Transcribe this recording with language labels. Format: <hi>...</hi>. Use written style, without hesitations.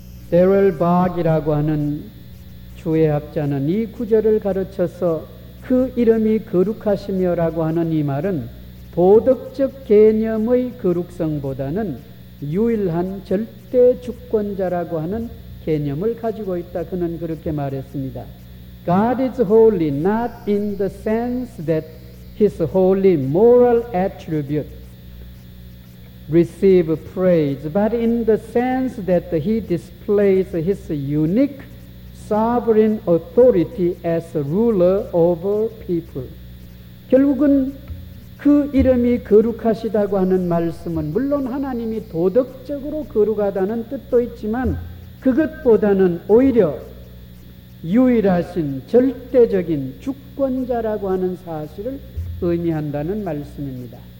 <ko>데럴 박이라고 하는 주의 학자는 이 구절을 가르쳐서 그 이름이 거룩하시며라고 하는 이 말은 도덕적 개념의 거룩성보다는 유일한 절대 주권자라고 하는 개념을 가지고 있다. 그는 그렇게 말했습니다.</ko> <en>God is holy not in the sense that his holy moral attribute receive praise, but in the sense that he displays his unique sovereign authority as a ruler over people.</en> <ko>결국은 그 이름이 거룩하시다고 하는 말씀은 물론 하나님이 도덕적으로 거룩하다는 뜻도 있지만 그것보다는 오히려 유일하신 절대적인 주권자라고 하는 사실을 의미한다는 말씀입니다.</ko>